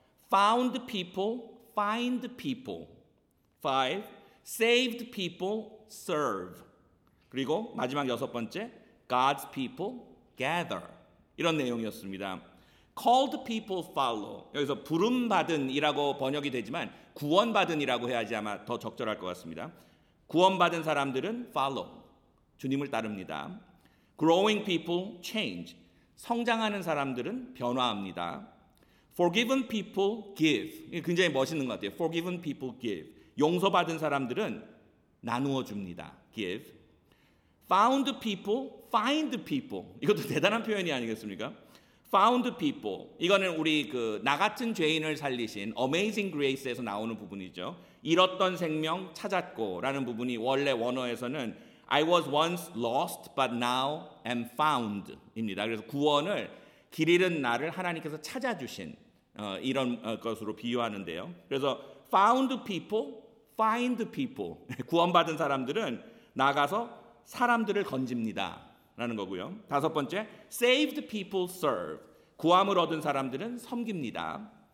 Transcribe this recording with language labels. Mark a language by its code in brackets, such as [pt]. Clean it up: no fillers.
[en] Found people find people. 5. Saved people serve. [ko] 그리고 마지막 여섯 번째, [en] God's people gather. [ko] 이런 내용이었습니다. [en] Called people follow. [ko] 여기서 부름받은이라고 번역이 되지만 구원받은이라고 해야지 아마 더 적절할 것 같습니다. 구원받은 사람들은 follow, 주님을 따릅니다. [en] Growing people change. [ko] 성장하는 사람들은 변화합니다. [en] Forgiven people give. [ko] 이게 굉장히 멋있는 것 같아요. [en] Forgiven people give. [ko] 용서받은 사람들은 나누어줍니다. [en] Give. Found people, find people. [ko] 이것도 대단한 표현이 아니겠습니까? [en] Found people. [ko] 이거는 우리 그 나 같은 죄인을 살리신 Amazing Grace에서 나오는 부분이죠. 잃었던 생명 찾았고 라는 부분이 원래 원어에서는 [en] I was once lost but now am found [ko] 입니다. 그래서 구원을 길 잃은 나를 하나님께서 찾아주신 이런 것으로 비유하는데요. 그래서 [en] found people, find people. [ko] 구원받은 사람들은 나가서 사람들을 건집니다 라는 거고요. 다섯 번째, [en] saved people serve. [ko] 구함을 얻은 사람들은 섬깁니다.